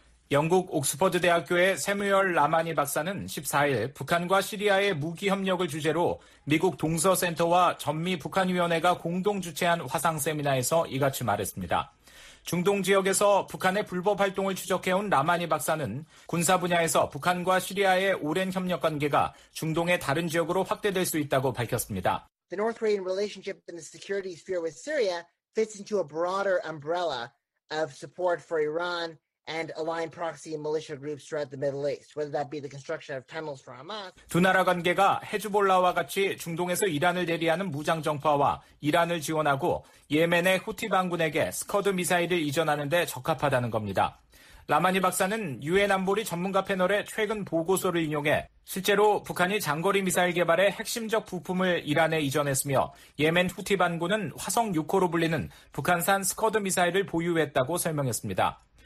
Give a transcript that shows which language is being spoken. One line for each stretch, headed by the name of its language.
Korean: 영국 옥스퍼드 대학교의 세뮤얼 라마니 박사는 14일 북한과 시리아의 무기 협력을 주제로 미국 동서센터와 전미 북한위원회가 공동 주최한 화상 세미나에서 이같이 말했습니다. 중동 지역에서 북한의 불법 활동을 추적해온 라마니 박사는 군사 분야에서 북한과 시리아의 오랜 협력 관계가 중동의 다른 지역으로 확대될 수 있다고 밝혔습니다.
English: The North Korean relationship and the security sphere with Syria fits into a broader umbrella of support for Iran and aligned proxy and militia groups throughout the Middle East, whether that be the construction of tunnels for Hamas.
Korean: 두 나라 관계가 헤즈볼라와 같이 중동에서 이란을 대리하는 무장 정파와 이란을 지원하고 예멘의 후티 반군에게 스커드 미사일을 이전하는 데 적합하다는 겁니다. 라마니 박사는 유엔 안보리 전문가 패널의 최근 보고서를 인용해 실제로 북한이 장거리 미사일 개발의 핵심적 부품을 이란에 이전했으며 예멘 후티 반군은 화성 6호로 불리는 북한산 스커드 미사일을 보유했다고 설명했습니다.